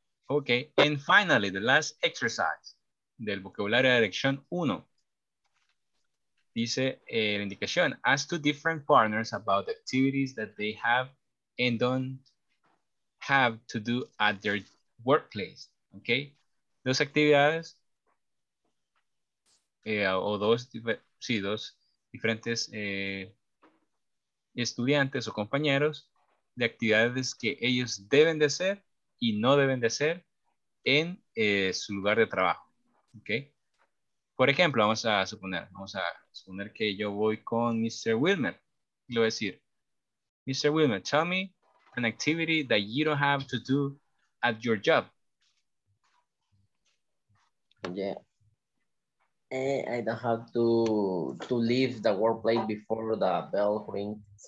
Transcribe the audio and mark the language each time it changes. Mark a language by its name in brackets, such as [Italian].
[English] Okay, and finally, the last exercise [Spanish] del vocabulario de lección 1. Dice la indicación, [English] ask two different partners about activities that they have and don't have to do at their workplace. [Spanish] Okay, dos actividades o dos, sí, dos diferentes estudiantes o compañeros de actividades que ellos deben de hacer y no deben de hacer en su lugar de trabajo, ¿ok? Por ejemplo, vamos a suponer que yo voy con Mr. Wilmer. Le voy a decir, Mr. [English] Wilmer, tell me an activity that you don't have to do at your job. Yeah. I don't have to leave the workplace before the bell rings.